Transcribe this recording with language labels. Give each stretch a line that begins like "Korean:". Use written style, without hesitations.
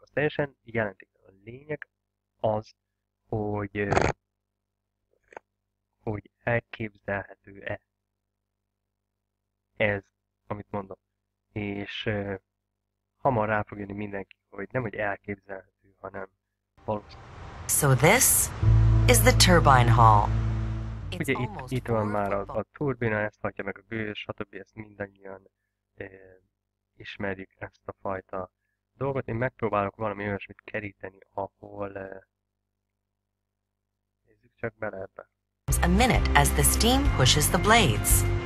Hungarian: Az teljesen jelentéktelen. A lényeg az, hogy elképzelhető-e ez, amit mondok. És hamar rá fog jönni mindenki, hogy nem, hogy elképzelhető, hanem valószínű.
English: So this is the turbine hall.
Hungarian: Ugye itt van már a turbina, ezt hagyja meg a gőz, stb. Ezt mindannyian ismerjük, ezt a fajta dolgot. Én megpróbálok valami olyasmit keríteni, ahol nézzük csak bele ebbe.
English: A minute as the steam pushes the blades.